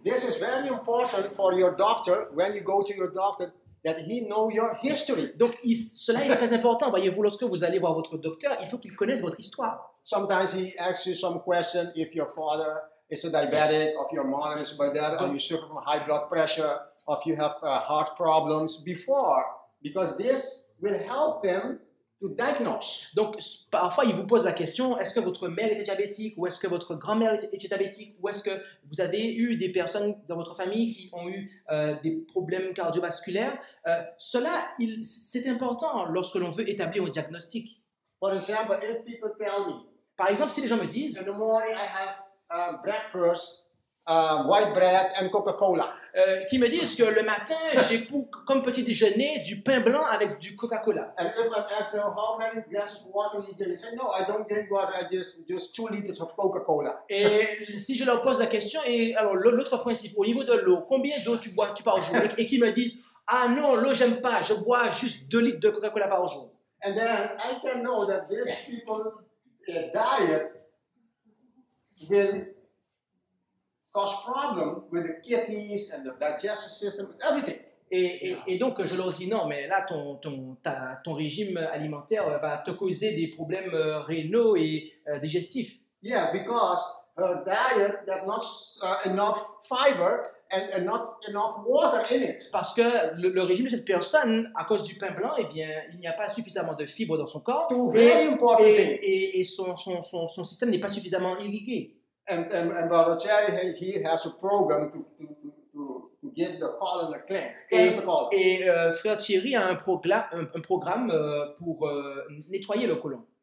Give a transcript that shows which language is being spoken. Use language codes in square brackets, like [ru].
[en] This is very important for your doctor when you go to your doctor. That he know your history. [fr] Donc, cela est très important. Voyez-vous, lorsque vous allez voir votre docteur, il faut qu'il connaisse votre histoire. [en] Sometimes he asks you some question if your father is a diabetic, if your mother is a diabetic, or you suffer from high blood pressure, or if you have heart problems before, because this will help them to diagnose. [fr] Donc, parfois, il vous pose la question, est-ce que votre mère était diabétique, ou est-ce que votre grand-mère était diabétique, ou est-ce que vous avez eu des personnes dans votre famille qui ont eu des problèmes cardiovasculaires? C'est important lorsque l'on veut établir un diagnostic. [en] For example, if people tell me, [fr] par exemple, si les gens me disent, [en] in the morning I have breakfast, white bread and Coca-Cola. [fr] Qui me disent que le matin, j'ai pour, comme petit déjeuner du pain blanc avec du Coca-Cola. [en] And if I ask them, how many glasses of water do you drink? They say, no, I don't drink water, I just 2 liters of Coca-Cola. [fr] Et si je leur pose la question, et alors l'autre principe, au niveau de l'eau, combien d'eau tu bois, tu par jour? Et qui me disent, ah non, l'eau, j'aime pas, je bois juste 2 litres de Coca-Cola par jour. [en] And then I can know that these people, their diet will cause problem with the kidneys and the digestive system, everything. [fr] Et donc je leur dis non, mais là ton régime alimentaire va te causer des problèmes rénaux et digestifs. [en] Yes, because her diet has not enough fiber and not enough water in it. [fr] Parce que le régime de cette personne, à cause du pain blanc, eh bien, il n'y a pas suffisamment de fibres dans son corps. [en] Two very important things. [fr] Et son système n'est pas suffisamment irrigué. [en] And Brother Jerry, he has a program to get the colon a cleanse. Cleanse the colon. [fr] Et Frère Thierry a un programme pour nettoyer le colon.